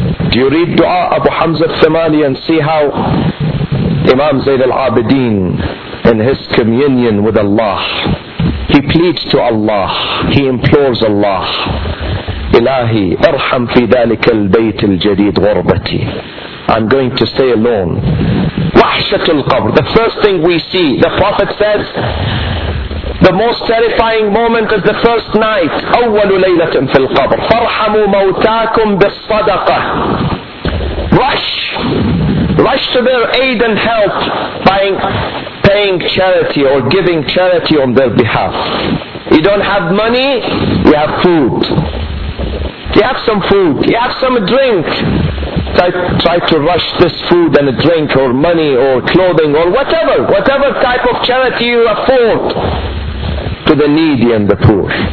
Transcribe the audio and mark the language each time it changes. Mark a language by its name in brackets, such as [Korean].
[English] Do you read Dua Abu Hamza al-Thamali and see how Imam Zayd al-Abidin, in his communion with Allah, he pleads to Allah, he implores Allah, [Arabic] إلهي ارحم في ذلك البيت الجديد غربتي. [English] I'm going to stay alone. [Arabic] وحشة القبر. [English] The first thing we see, the Prophet says, the most terrifying moment is the first night. [Arabic] أول ليلة في القبر. فارحموا موتاكم بالصدقة. [English] Rush. Rush to their aid and help by paying charity or giving charity on their behalf. You don't have money, you have food. You have some food, you have some drink. Try to rush this food and a drink or money or clothing or whatever, whatever type of charity you afford to the needy and the poor.